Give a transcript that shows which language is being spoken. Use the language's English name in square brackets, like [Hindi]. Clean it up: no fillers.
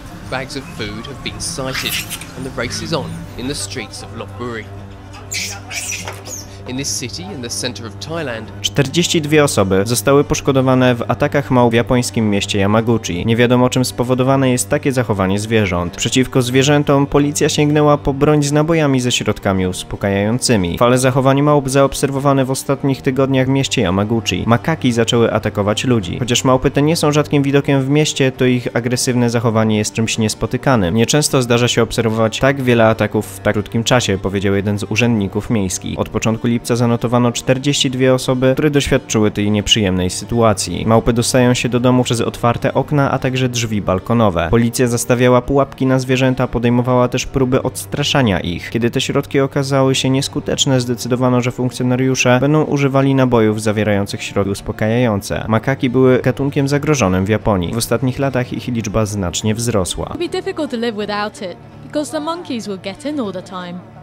[English] Bags of food have been sighted and the race is on in the streets of Lopburi. In this city in the center of Thailand. [Polish] 42 osoby zostały poszkodowane w atakach małp w japońskim mieście Yamaguchi. Nie wiadomo, czym spowodowane jest takie zachowanie zwierząt. Przeciwko zwierzętom policja sięgnęła po broń z nabojami ze środkami uspokajającymi. Fale zachowań małp zaobserwowane w ostatnich tygodniach w mieście Yamaguchi. Makaki zaczęły atakować ludzi. Chociaż małpy te nie są rzadkim widokiem w mieście, to ich agresywne zachowanie jest czymś niespotykanym. Nieczęsto zdarza się obserwować tak wiele ataków w tak krótkim czasie, powiedział jeden z urzędników miejskich. Od początku lipca zanotowano 42 osoby, które doświadczyły tej nieprzyjemnej sytuacji. Małpy dostają się do domu przez otwarte okna, a także drzwi balkonowe. Policja zastawiała pułapki na zwierzęta, podejmowała też próby odstraszania ich. Kiedy te środki okazały się nieskuteczne, zdecydowano, że funkcjonariusze będą używali nabojów zawierających środki uspokajające. Makaki były gatunkiem zagrożonym w Japonii. W ostatnich latach ich liczba znacznie wzrosła. [English] It'd be difficult to live without it, because the monkeys will get in all the time.